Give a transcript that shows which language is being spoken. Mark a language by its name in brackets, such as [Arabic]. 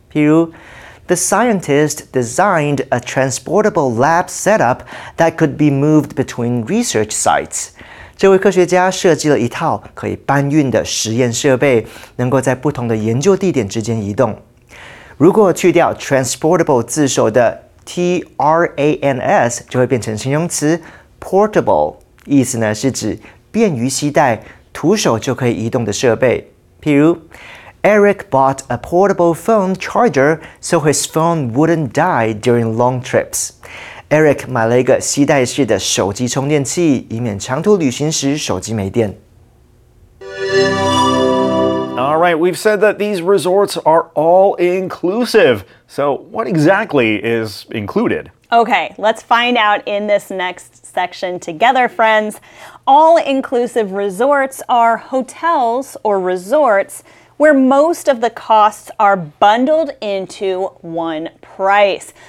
[Chinese] 譬如 [English] The scientist designed a transportable lab setup that could be moved between research sites. [Chinese] 这位科学家设计了一套可以搬运的实验设备，能够在不同的研究地点之间移动。如果去掉 transportable 字首的 T-R-A-N-S， 就会变成形容词 portable， 意思呢是指便于携带、徒手就可以移动的设备。譬如 [English] ，Eric bought a portable phone charger so his phone wouldn't die during long trips. [Chinese] Eric 买了一个携带式的手机充电器，以免长途旅行时手机没电。 [English] All right, we've said that these resorts are all inclusive. So what exactly is included? Okay, let's find out in this next section together, friends. All inclusive resorts are hotels or resorts where most of the costs are bundled into one price.